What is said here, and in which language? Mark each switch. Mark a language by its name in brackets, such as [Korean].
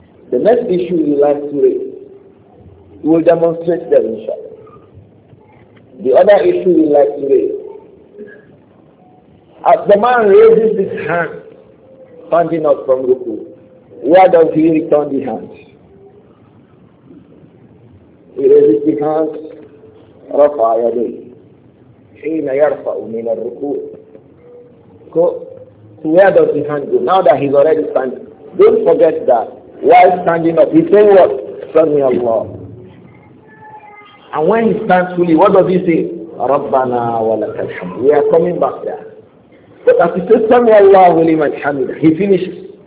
[English] The next issue we like to raise, we'll demonstrate them inshallah. The other issue we like to raise, as the man raises his hand, standing up from the pool, Why does he return the hand? He raises the hand, [Arabic] رفع يدي حين يرفع من الركوع. [English] So where does the hand go? Now that he's already standing, don't forget that while standing up, he's saying what? Sami Allah. And when he stands fully, what does he say? Rabbana wa laka alhamd. We are coming back there. But as he says, Sami Allah wa liman hamid, he finishes.